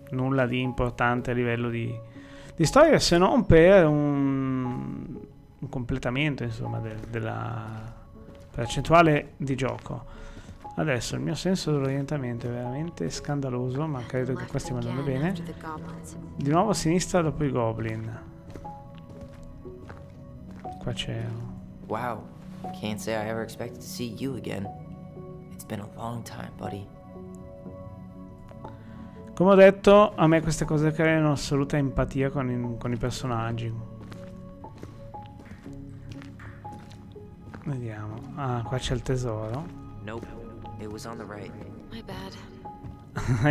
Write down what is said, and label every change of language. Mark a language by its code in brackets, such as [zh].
[it] Nulla di importante a livello di storia, se non per un completamento, insomma, della percentuale di gioco. Adesso il mio senso dell'orientamento è veramente scandaloso, ma credo che qua stiamo andando bene. Di nuovo a sinistra dopo i goblin. Qua c'è. [en] Wow, can't say I ever expected to see you again. It's been a long time, buddy. [it] Come ho detto, a me queste cose creano assoluta empatia con i personaggi. Vediamo. Ah, qua c'è il tesoro. [en] Nope. It was on the right. My bad.